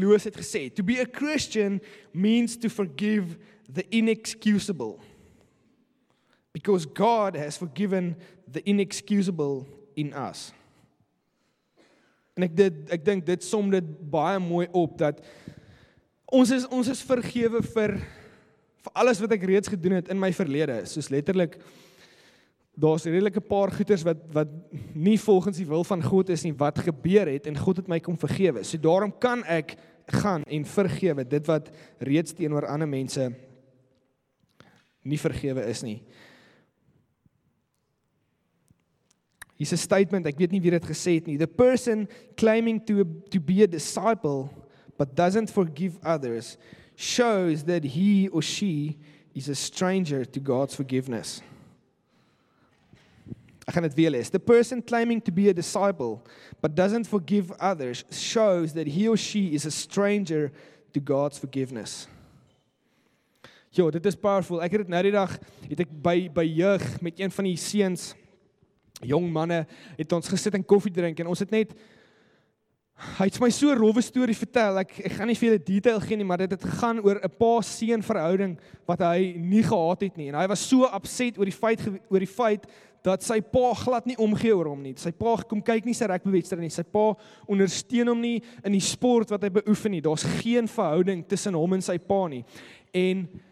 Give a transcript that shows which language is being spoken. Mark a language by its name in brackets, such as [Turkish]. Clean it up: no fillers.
[English] Lewis [Afrikaans] het gesê, [English] to be a Christian means to forgive the inexcusable, because God has forgiven the inexcusable in us. [Afrikaans] En ek dink dit som dit baie mooi op, dat ons is vergewe vir alles wat ek reeds gedoen het in my verlede. Soos letterlik, daar is redelike paar goeders wat nie volgens die wil van God is nie, wat gebeur het en God het my kom vergewe. So daarom kan ek gaan en vergewe dit wat reeds teenoor ander mense nie vergewe is nie. Hier is 'n statement, ek weet nie wie dit gesê het nie. [English] The person claiming to be a disciple but doesn't forgive others shows that he or she is a stranger to God's forgiveness. [Afrikaans] Ek gaan dit weer lees. [English] The person claiming to be a disciple but doesn't forgive others shows that he or she is a stranger to God's forgiveness. [Afrikaans] Jo, dit is powerful. Ek het dit nou die dag, het ek by jeug met een van die seuns, jong manne, het ons gesit en koffie drink en ons het net, hy het my so 'n rowwe storie vertel, ek gaan nie veel detail gee nie, maar dit het gegaan oor 'n pa seun verhouding wat hy nie gehad het nie, en hy was so upset oor die feit dat sy pa glad nie omgee oor hom nie, sy pa kom kyk nie sy rugbywedstryd nie, sy pa ondersteun hom nie in die sport wat hy beoefen nie, daar's geen verhouding tussen hom en sy pa nie, en